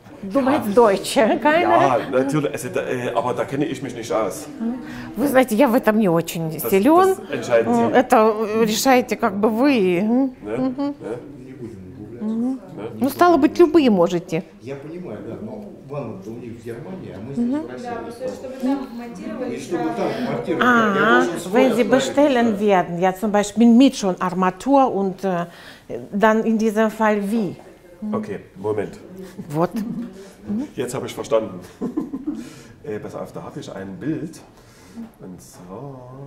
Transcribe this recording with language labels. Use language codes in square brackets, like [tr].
[de] Du meinst Deutsche, keine? Ja, natürlich, also, aber da kenne ich mich nicht aus. [ru] Вы знаете, я в этом не очень силен. [de] Das entscheiden Sie. [ru] Это решаете как бы вы. [de] Ne? [ru] Ну, стало быть, любые можете. Я понимаю, да, но ванна-то у них в Германии, а мы здесь в России. Да, чтобы там монтировали. И чтобы там монтировали. [de] Wenn Sie bestellen werden, ja, zum Beispiel mit schon Armatur und dann in diesem Fall wie? Okay, Moment. [ru] Вот. [de] Jetzt habe ich verstanden. Pass auf, da habe ich ein Bild. Und so...